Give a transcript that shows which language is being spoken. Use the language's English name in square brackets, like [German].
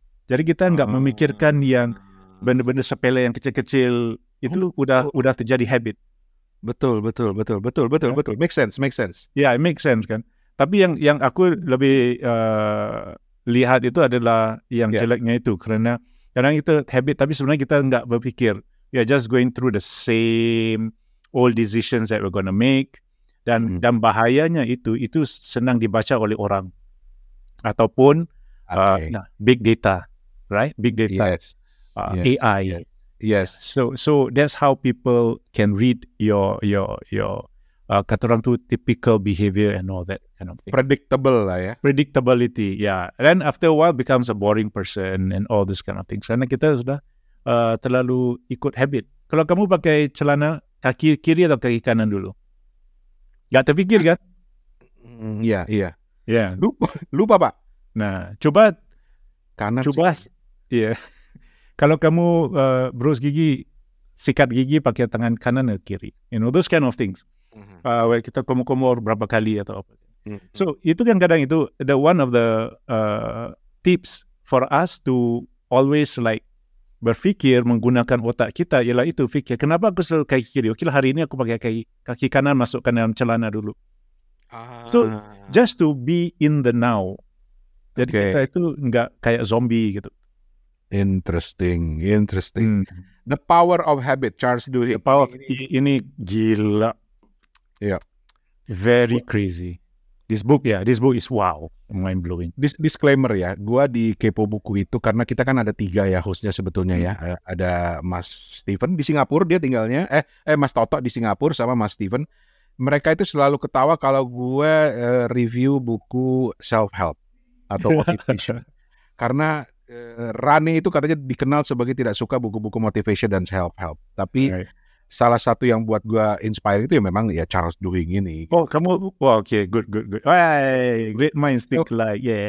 [Indonesian] Jadi kita enggak memikirkan yang benda-benda sepele yang kecil-kecil itu udah terjadi habit. [English] Betul. Make sense. Yeah, it makes sense kan. [Indonesian] Tapi yang aku lebih lihat itu adalah yang jeleknya itu kerana kadang itu habit tapi sebenarnya kita enggak berpikir. [English] We are just going through the same old decisions that we're going to make. [Malay] Dan dan bahayanya itu senang dibaca oleh orang ataupun big data, right? Big data, [English] yes. AI, yes. So that's how people can read your [Malay] kata orang tu [English] typical behavior and all that kind of thing. Predictable lah ya. Predictability, yeah. Then after a while becomes a boring person and all this kind of things. [Indonesian] Karena kita sudah terlalu ikut habit. Kalau kamu pakai celana kaki kiri atau kaki kanan dulu. Gak terpikir kan? Iya. Lupa pak. Nah, coba kanan. Coba. Iya. Kalau kamu brush gigi, sikat gigi pakai tangan kanan atau kiri. [English] You know those kind of things. [Indonesian] Well, kita komor berapa kali atau apa. [Malay] So itu kan kadang itu [English] the one of the tips for us to always like [Malay] berfikir menggunakan otak kita ialah itu fikir kenapa aku selalu kaki kiri. Okeylah hari ini aku pakai kaki kanan masukkan dalam celana dulu. [English] So just to be in the now. [Malay] Jadi kita itu enggak kayak zombie gitu. [English] Interesting. The Power of Habit, Charles Duhigg. [Indonesian] The Power of, ini gila. [English] Ya. Yeah. Very crazy. This book, yeah, this book is wow, mind blowing. [Indonesian] Disclaimer ya, gua di kepo buku itu karena kita kan ada tiga ya hostnya sebetulnya ya, ada Mas Steven di Singapura dia tinggalnya, Mas Toto di Singapura sama Mas Steven, mereka itu selalu ketawa kalau gue review buku self help atau motivation, karena Rani itu katanya dikenal sebagai tidak suka buku-buku motivation dan self help, tapi salah satu yang buat gue inspire itu ya memang ya Charles Duhigg ini. [English] Oh kamu, oh, oke, okay. good. Great minds think alike,